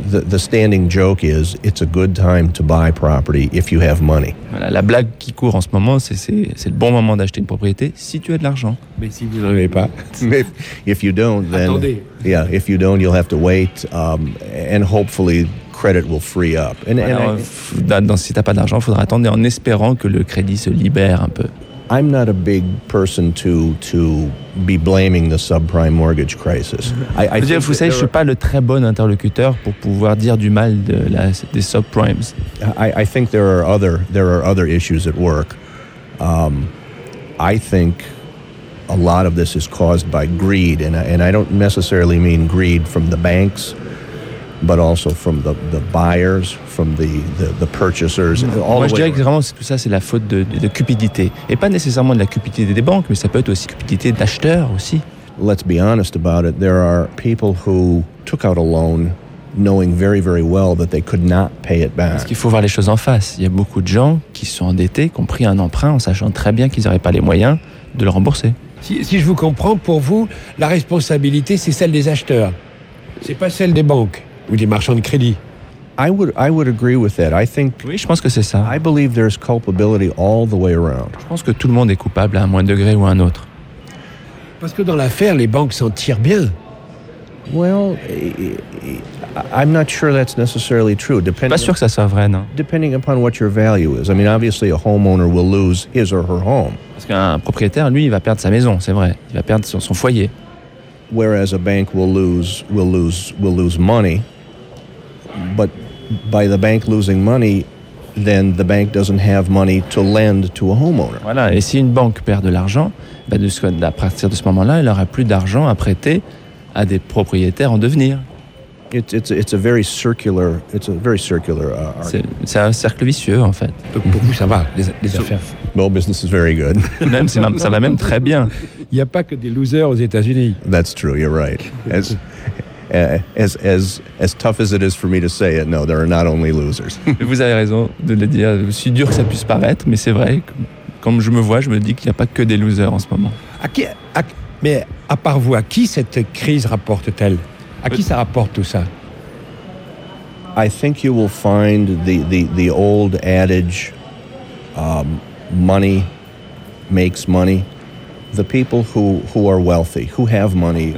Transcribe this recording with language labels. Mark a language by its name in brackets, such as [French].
[English] The standing joke is it's a good time to buy property if you have money. [French] Voilà, la blague qui court en ce moment, c'est le bon moment d'acheter une propriété si tu as de l'argent. Mais si vous n'en avez pas. [English] If you don't, then [French] attendez. [English] Yeah, if you don't, you'll have to wait and hopefully credit will free up. [French] Si tu n'as pas d'argent, il faudra attendre en espérant que le crédit se libère un peu. [English] I'm not a big person to be blaming the subprime mortgage crisis. [French] Je suis pas le très bon interlocuteur pour pouvoir dire du mal de des subprimes. [English] I think there are other issues at work. I think a lot of this is caused by greed, and I don't necessarily mean greed from the banks, but also from the buyers, from the purchasers. [French] Je dirais que vraiment tout ça, c'est la faute de cupidité, et pas nécessairement de la cupidité des banques, mais ça peut être aussi cupidité d'acheteurs aussi. [English] Let's be honest about it. There are people who took out a loan, knowing very very well that they could not pay it back. [French] Parce qu'il faut voir les choses en face. Il y a beaucoup de gens qui sont endettés, qui ont pris un emprunt en sachant très bien qu'ils n'auraient pas les moyens de le rembourser. Si je vous comprends, pour vous, la responsabilité, c'est celle des acheteurs. C'est pas celle des banques. Ou des marchands de crédit. [English] I would agree with that. I think. [French] Oui, je pense que c'est ça. [English] I believe there's culpability all the way around. [French] Je pense que tout le monde est coupable à un moindre degré ou à un autre. Parce que dans l'affaire, les banques s'en tirent bien. [English] Well, I'm not sure that's necessarily true. Depending. [French] Pas sûr que ça soit vrai, non. [English] Depending upon what your value is. I mean, obviously, a homeowner will lose his or her home. [French] Parce qu'un propriétaire, lui, il va perdre sa maison, c'est vrai. Il va perdre son foyer. [English] Whereas a bank will lose money, but by the bank losing money, then the bank doesn't have money to lend to a homeowner. [French] Voilà. Et si une banque perd de l'argent, à partir de ce moment-là, elle aura plus d'argent à prêter à des propriétaires en devenir. [English] It's a very circular. [French] C'est un cercle vicieux en fait. Donc pour vous ça va les affaires. [English] Well, business is very good. [French] Même ça va même très bien. Il n'y a pas que des losers aux États-Unis. [English] That's true. You're right. As tough as it is for me to say it, no, there are not only losers. [French] Vous avez raison de le dire. Si dur que ça puisse paraître, mais c'est vrai. Comme je me vois, je me dis qu'il n'y a pas que des losers en ce moment. Mais à part vous, à qui cette crise rapporte-t-elle? À qui ça rapporte tout ça? [English] I think you will find the old adage, money makes money. The people who are wealthy, who have money.